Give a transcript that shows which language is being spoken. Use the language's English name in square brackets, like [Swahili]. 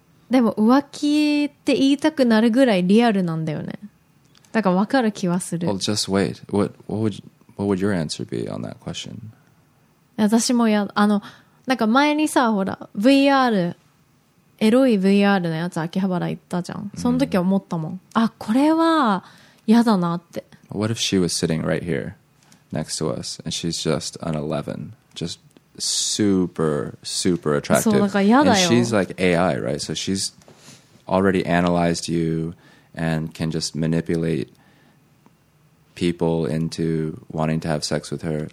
[Japanese] でも浮気って言いたくなるぐらいリアルなんだよね。だから分かる気はする。 [English] Well, just wait. What would your answer be on that question? [Japanese] 私もや、あの、なんか前にさ、ほら、VR。エロい VR のやつ秋葉原行ったじゃん。その時思ったもん。あ、これは嫌だなって。 [English] What if she was sitting right here next to us and she's just an 11? Just super, super attractive. [Japanese] そう、だから嫌だよ。 [English] And she's like AI, right? So she's already analyzed you and can just manipulate people into wanting to have sex with her.